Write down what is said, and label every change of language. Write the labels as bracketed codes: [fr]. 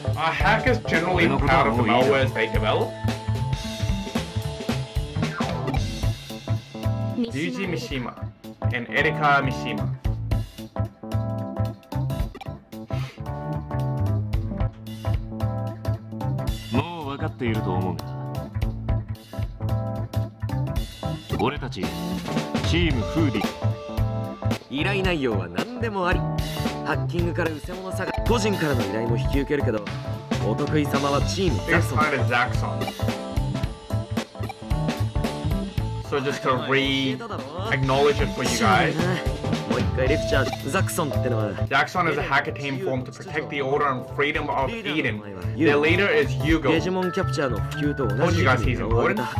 [en] Are hackers generally proud of the malware they develop? [ja] リュウジ・ミシマ and エリカ・ミシマ。もう分かっていると思うが、俺たちチームフーディ依頼内容は何でもあり、ハッキングから偽物探し、個人からの依頼も引き受けるけど、お得意様はチームザクソン。 [en] Kind of ザクソン。 So just to re-acknowledge it for you guys. Zaxxon is a hacker team formed to protect the order and freedom of Eden. Their leader is Yugo. Told you guys he's important.